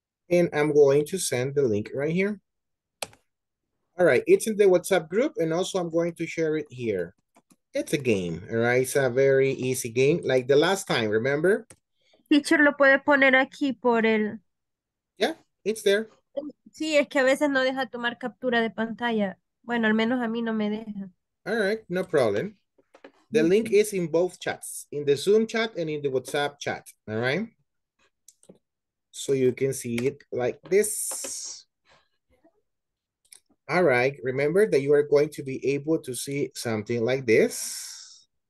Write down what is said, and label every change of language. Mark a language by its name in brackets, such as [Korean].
[English] And I'm going to send the link right here. All right, it's in the WhatsApp group, and also I'm going to share it here. It's a game, all right? It's a very easy game, like the last time, remember? [Spanish] Teacher, lo puede poner aquí por el... [English] Yeah, it's there. [Spanish] Sí, es que a veces no deja tomar captura de pantalla. Bueno, al menos a mí no me deja. [English] All right, no problem. The link is in both chats, in the Zoom chat and in the WhatsApp chat, all right? So you can see it like this. All right, remember that you are going to be able to see something like this.